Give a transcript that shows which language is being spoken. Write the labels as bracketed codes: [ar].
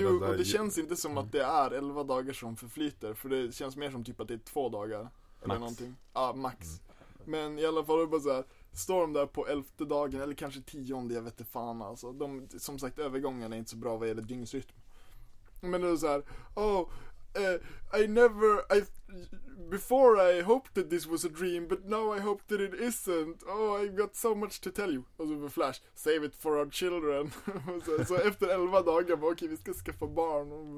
[sv] Jo, och det känns inte som att det är 11 dagar som förflyter, för det känns mer som typ att det är 2 dagar eller någonting. Ja, max. Mm. Men i alla fall är det bara så här. Står de där på 11:e dagen eller kanske 10:e, jag vet inte fan alltså. De, som sagt, övergången är inte så bra vad gäller dygnsrytm. Men det är så här, [en] before I hoped that this was a dream, but now I hope that it isn't. Oh, I've got so much to tell you. [sv] Och så [en] Flash, save it for our children. [sv] Så efter 11 dagar, okej, vi ska skaffa barn.